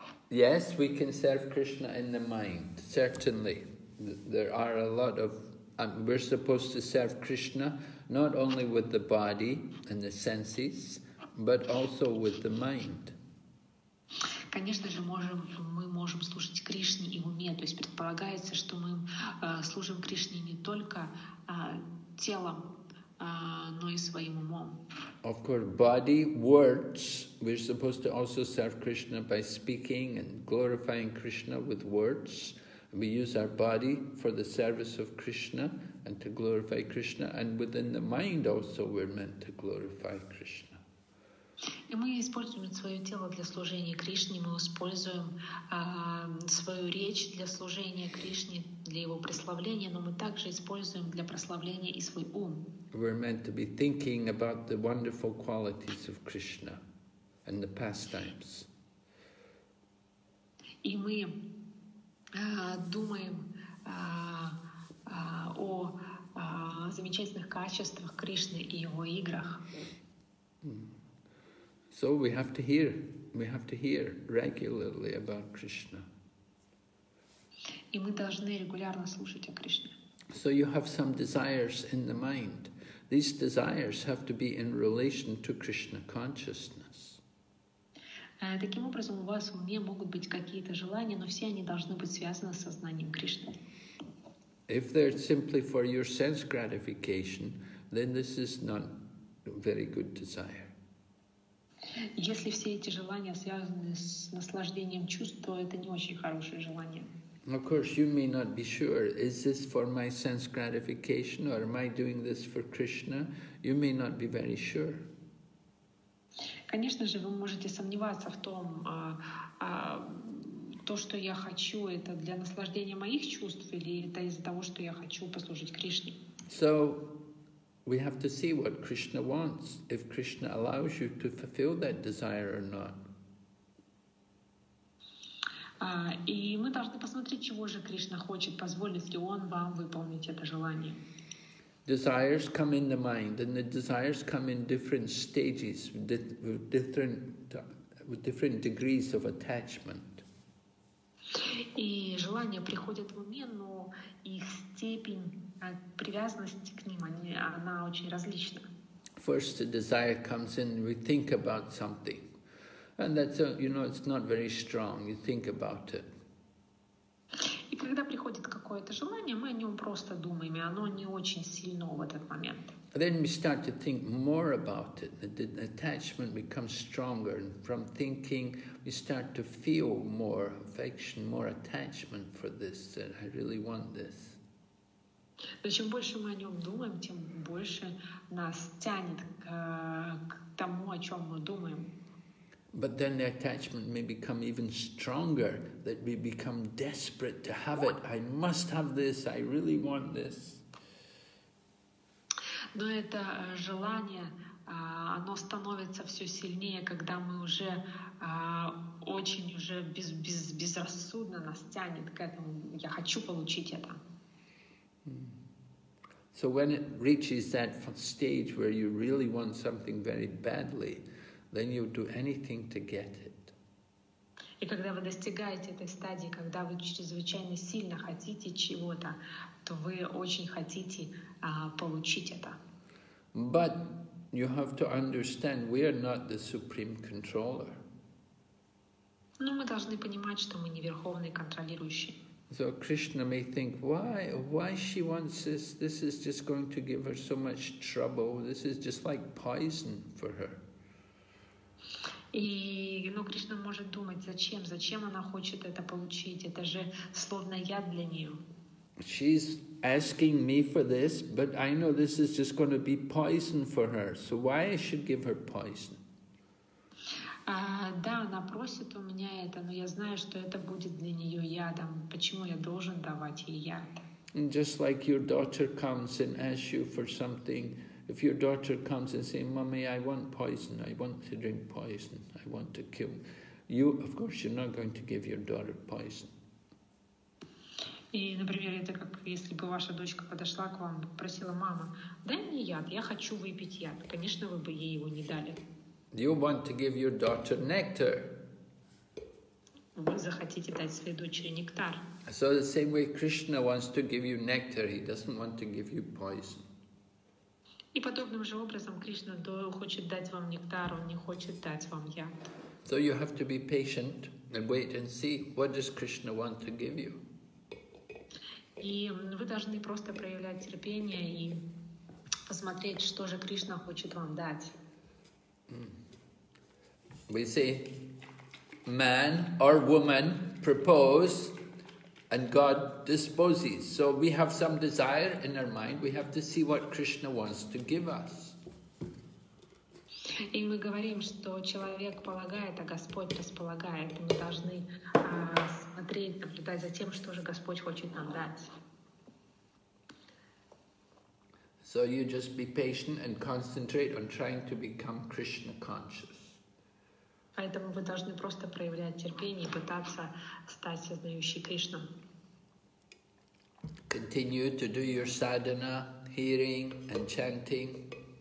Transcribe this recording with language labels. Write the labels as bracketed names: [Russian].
[English] Yes, we can serve Krishna in the mind, certainly. There are a lot of we're supposed to serve Krishna not only with the body and the senses, but also with the mind. [Russian] Конечно же, мы можем служить Кришне и уме. То есть предполагается, что мы служим Кришне не только телом, но и своим умом. [English] Of course, body, words, we're supposed to also serve Krishna by speaking and glorifying Krishna with words. We use our body for the service of Krishna and to glorify Krishna, and within the mind also we're meant to glorify Krishna. [Russian] И мы используем свое тело для служения Кришне, мы используем свою речь для служения Кришне, для его прославления, но мы также используем для прославления и свой ум. [English] We're meant to be thinking about the wonderful qualities of Krishna and the pastimes. [Russian] И мы думаем о замечательных качествах Кришны и его играх. [English] So we have to hear regularly about Krishna. [Russian] И мы должны регулярно слушать о Кришне. [English] So you have some desires in the mind. These desires have to be in relation to Krishna consciousness. [Russian] Таким образом, у вас в уме могут быть какие-то желания, но все они должны быть связаны с сознанием Кришны. [English] If they're simply for your sense gratification, then this is not very good desire. [Russian] Если все эти желания связаны с наслаждением чувств, то это не очень хорошее желание. [English] Of course, you may not be sure, is this for my sense gratification or am I doing this for Krishna? You may not be very sure. [Russian] Конечно же, вы можете сомневаться в том, то, что я хочу, это для наслаждения моих чувств или это из-за того, что я хочу послужить Кришне. [English] So, we have to see what Krishna wants, if Krishna allows you to fulfill that desire or not. [Russian] И мы должны посмотреть, чего же Кришна хочет, позволит ли он вам выполнить это желание. [English] Desires come in the mind, and the desires come in different stages, with different degrees of attachment. [Russian] И желания приходят в уме, но их степень привязанности к ним, она очень различна. [English] First, the desire comes in, we think about something. And that's, it's not very strong, you think about it. [Russian] И когда приходит какое-то желание, мы о нем просто думаем, и оно не очень сильно в этот момент. [English] Then we start to think more about it, the attachment becomes stronger, and from thinking we start to feel more affection, more attachment for this, that I really want this. [Russian] Но чем больше мы о нем думаем, тем больше нас тянет к тому, о чем мы думаем. [English] But then the attachment may become even stronger, that we become desperate to have it. I must have this, I really want this. [Russian] Но это желание, оно становится все сильнее, когда мы уже очень уже безрассудно нас тянет к этому. Я хочу получить это. [English] So when it reaches that stage where you really want something very badly, then you do anything to get it. [Russian] И когда вы достигаете этой стадии, когда вы чрезвычайно сильно хотите чего-то, то вы очень хотите получить это. [English] But you have to understand, we are not the supreme controller. [Russian] Но мы должны понимать, что мы не верховный контролирующий. [English] So Krishna may think, why she wants this? This is just going to give her so much trouble. This is just like poison for her. [Russian] И, ну, Кришна может думать, зачем она хочет это получить? Это же словно яд для нее. [English] She's asking me for this, but I know this is just going to be poison for her. So why I should give her poison? [Russian] Да, она просит у меня это, но я знаю, что это будет для нее ядом. Почему я должен давать ей яд? [English] And just like your daughter comes and asks you for something. If your daughter comes and says, Mommy, I want poison, I want to drink poison, I want to kill me. You, of course, you're not going to give your daughter poison. [Russian] И, например, это как если бы ваша дочка подошла к вам, просила, мама, дай мне яд, я хочу выпить яд. Конечно, вы бы ей его не дали. [English] You want to give your daughter nectar. [Russian] Вы захотите дать своей дочери нектар. [English] So the same way Krishna wants to give you nectar, he doesn't want to give you poison. [Russian] И подобным же образом Кришна хочет дать вам нектар, он не хочет дать вам яд. [English] So you have to be patient. And wait and see, what does Krishna want to give you? [Russian] И вы должны просто проявлять терпение и посмотреть, что же Кришна хочет вам дать. [English] We see man or woman propose and God disposes. So we have some desire in our mind, we have to see what Krishna wants to give us. [Russian] И мы говорим, что человек полагает, а Господь располагает. Мы должны смотреть, наблюдать за тем, что же Господь хочет нам дать. [English] So you just be patient and concentrate on trying to become Krishna conscious. [Russian] Поэтому вы должны просто проявлять терпение и пытаться стать сознающей Кришну. [English] Continue to do your sadhana, hearing and chanting.